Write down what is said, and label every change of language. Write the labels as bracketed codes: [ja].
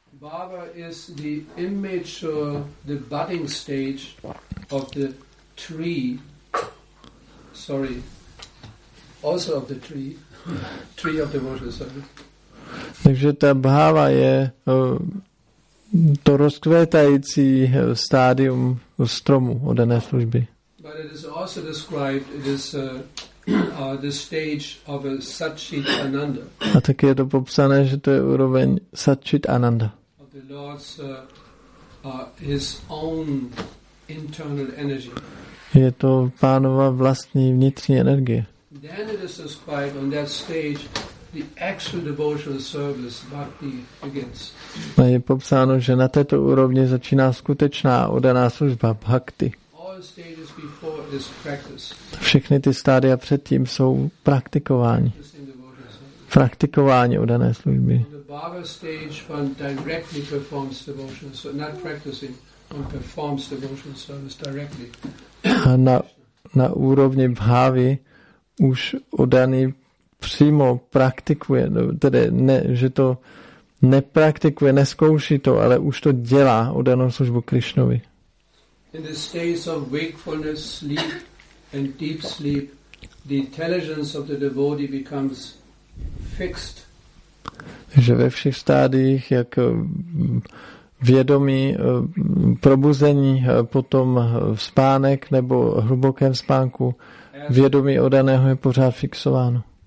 [en] Bhava is the immature, the budding stage of the tree. Sorry, also of the tree, tree of the water. [cs] Takže ta bhava je to rozkvétající stádium stromu odané služby. [en] But it is also described as the stage of a Satchit Ananda. [cs] A taky je to popsané, že to je úroveň Satchit Ananda. [en] Lord's his own internal energy. [cs] Je to pánova vlastní vnitřní energie. [en] Then it is described on that stage the actual devotional service bhakti begins. [cs] A je popsáno, že na této úrovni začíná skutečná oddaná služba bhakti. [en] All stages before is practice. [cs] Všechny ty stádia předtím jsou praktikování. Praktikování oddané služby. [en] Bhava stage one directly performs devotion, so not practicing, one performs devotion service directly. [cs] A na úrovni bhávy už oddaný přímo praktikuje, tedy ne, že to nepraktikuje, neskouší to, ale už to dělá oddanou službu Krišnovi. [en] In the stage of wakefulness, sleep and deep sleep, the intelligence of the devotee becomes fixed. [cs] Že ve všech stádiích, jak vědomí, probuzení, potom spánek nebo hlubokém spánku, vědomí odaného je pořád fixováno.